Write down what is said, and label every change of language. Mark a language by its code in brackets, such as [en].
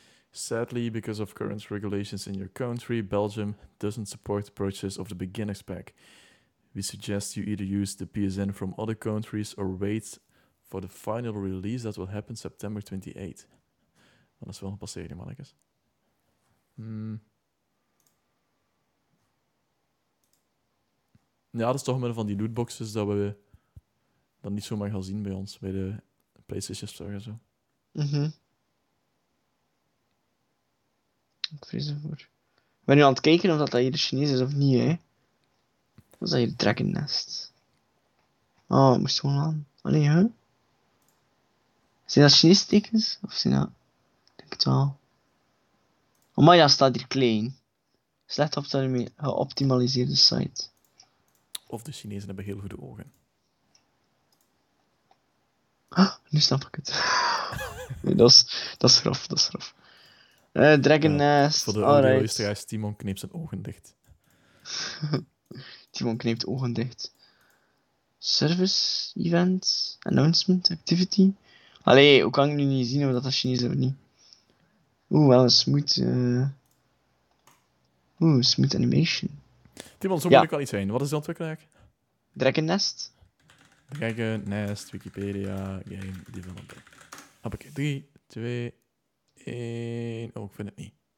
[en] Sadly, because of current regulations in your country, Belgium doesn't support the purchase of the beginner's pack. We suggest you either use the PSN from other countries or wait for the final release that will happen September 28th. [nl] Dat is wel gepasseerd, mannetjes. Ja, dat is toch een van die lootboxes dat we dan niet zomaar gaan zien bij ons, bij de PlayStation Store en zo. Mm-hmm. Ik vrees ervoor. Ik ben nu aan het kijken of dat hier de Chinees is of niet, hè. Wat is dat hier, Dragon Nest? Oh, ik moest gewoon aan. Oh nee, hè? Zijn dat Chinese tekens? Of zijn dat... Ik denk het wel. Oh, maar ja, staat hier klein. Slecht op dat geoptimaliseerde site. Of de Chinezen hebben heel goede ogen. Ah, nu snap ik het. Nee, dat is grof, dat is grof. Dragon Nest. Voor de audio-luisteraars, right. Timon kneept zijn ogen dicht. Timon kneept ogen dicht. [en] Service, event, announcement, activity. [nl] Allee, hoe kan ik nu niet zien of dat Chinezen of niet? Oeh, wel een smooth... [en] Oeh, smooth animation. [nl] Timon, zo moet ik wel iets zijn. Wat is de ontwikkelaar? Dragon Nest. Dragon Nest, Wikipedia, game developer. Hoppakee, 3, 2, 1... Oh, ik vind het niet.